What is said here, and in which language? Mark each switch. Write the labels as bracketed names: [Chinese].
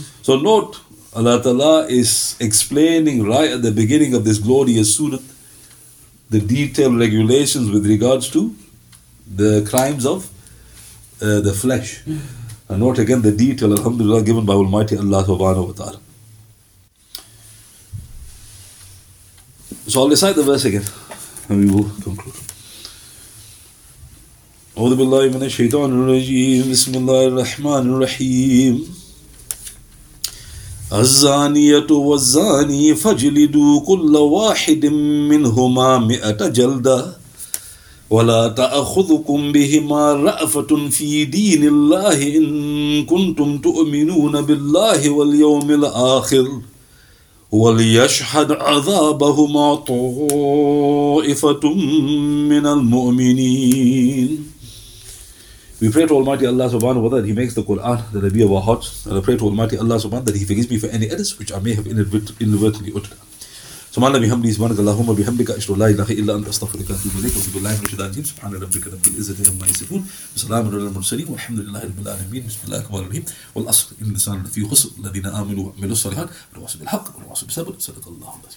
[English] So note, Allah Ta'ala is explaining right at the beginning of this glorious surah the detailed regulations with regards to the crimes of the flesh. And note again the detail, alhamdulillah, given by Almighty Allah subhanahu wa ta'ala. So I'll recite the verse again and we will conclude. [Arabic] أعوذ بالله من الشيطان الرجيم بسم الله الرحمن الرحيم الزانية والزاني فاجلدوا كل واحد منهما مئة جلدة ولا تأخذكم بهما رأفة في دين الله إن كنتم تؤمنون بالله واليوم الآخر وليشهد عذابهما طائفة من المؤمنين. [English] We pray to Almighty Allah subhanahu wa ta'ala that He makes the Qur'an the Rabi of our hearts. And I pray to Almighty Allah subhanahu wa ta'ala that He forgives me for any edits which I may have inadvertently uttered. [Arabic] سبحان ربي حمدي سبحانك اللهم وبحمدك اشهد ان لا اله الا انت استغفرك واتوب اليك وصلى الله على سيدنا محمد سبحان ربك رب العزه عما يصفون وسلام على المرسلين والحمد لله رب العالمين بسم الله الرحمن الرحيم والعصر ان الانسان لفي خسر الذين امنوا وعملوا الصالحات والتواصوا بالحق والتواصوا بالصبر صدق الله العظيم.